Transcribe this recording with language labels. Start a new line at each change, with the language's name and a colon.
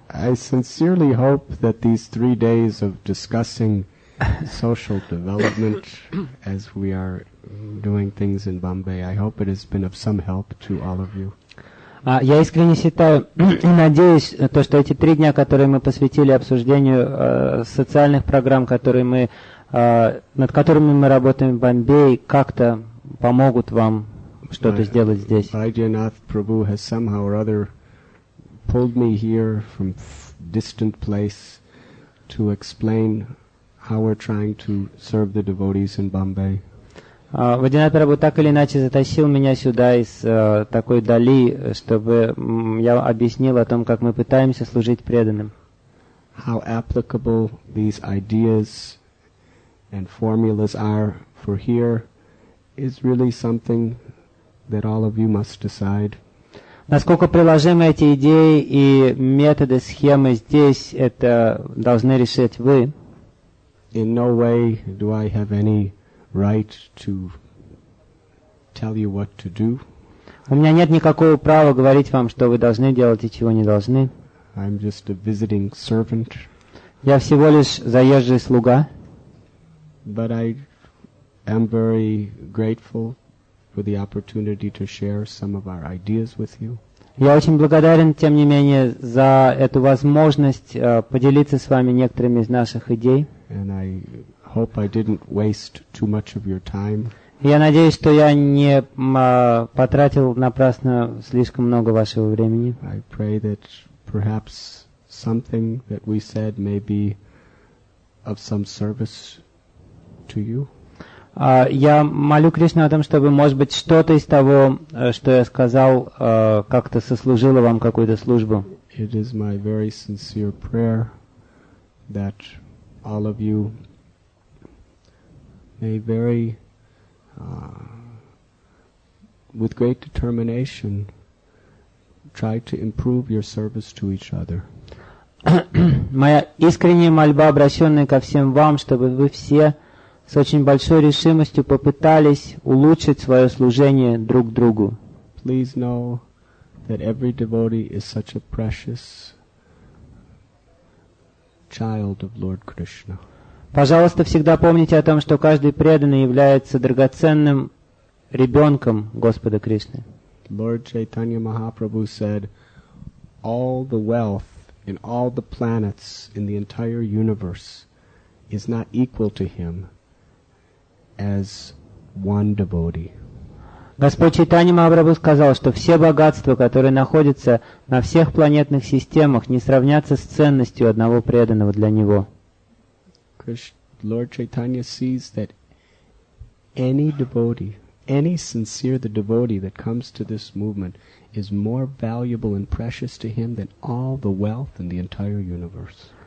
English: I sincerely hope that these 3 days of discussing social development as we are doing things in Bombay, I hope it has been of some help to all of you.
Russian: Я искренне считаю и надеюсь, то, что эти 3 дня, которые мы посвятили обсуждению социальных программ, над которыми мы работаем в Бомбее, как-то помогут вам что-то сделать здесь.
English: Vaidyanath Prabhu has somehow or other pulled me here from distant place to explain how we're trying to serve the devotees in Bombay.
Russian: Vaidyanath Prabhu так или иначе затащил меня сюда из такой дали, чтобы я объяснил о том, как мы пытаемся служить преданным.
English: How applicable these ideas and formulas are for here is really something that all of you must decide.
Russian: Насколько приложимы эти идеи и методы, схемы здесь, это должны решить вы.
English: In no way do I have any right to tell you what to do.
Russian: У меня нет никакого права говорить вам, что вы должны делать и чего не должны.
English: I'm just a visiting servant.
Russian: Я всего лишь заезжий слуга.
English: But I am very grateful for the opportunity to share some of our ideas with you.
Russian: Я очень благодарен, тем не менее, за эту возможность поделиться с вами некоторыми из наших идей.
English: And I hope I didn't waste too much of your time.
Russian: Я надеюсь, что я не потратил напрасно слишком много вашего времени.
English: I pray that perhaps something that we said may be of some service to you.
Russian: Я молю Кришну о том, чтобы, может быть, что-то из того, что я сказал, как-то сослужило вам какую-то службу.
English: It is my very sincere prayer that all of you may very, with great determination, try to improve your service to each other.
Russian: Моя искренняя мольба, обращенная ко всем вам, чтобы вы все с очень большой решимостью попытались улучшить свое служение друг другу.
English: Please know that every devotee is such a precious child of Lord Krishna.
Russian: Пожалуйста, всегда помните о том, что каждый преданный является драгоценным ребенком Господа Кришны.
English: Lord Chaitanya Mahaprabhu said, all the wealth in all the planets in the entire universe is not equal to him as one devotee.
Russian: Господь Чайтанья Махапрабху сказал, что все богатства, которые находятся на всех планетных системах, не сравнятся с ценностью одного преданного для него.
English: Lord Chaitanya sees that any devotee, any sincere devotee that comes to this movement is more valuable and precious to him than all the wealth in the entire universe.